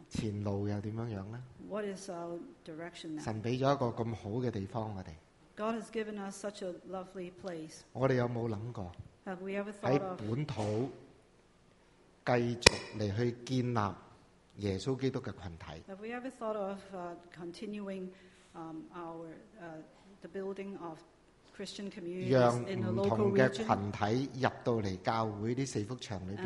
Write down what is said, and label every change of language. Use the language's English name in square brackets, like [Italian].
[Chinese] 前路又怎样呢？ [English] What is our direction now? [Chinese] 神给了一个这么好的地方我们。 [English] God has given us such a lovely place. [Chinese] 我们有没有想过？ [English] Have we ever thought of? [Chinese] 在本土继续来去建立耶稣基督的群体。 [English] Have we ever thought of continuing our the building of Christian communities in the local region? [Chinese] 让不同的群体入到来教会的四幅墙里面。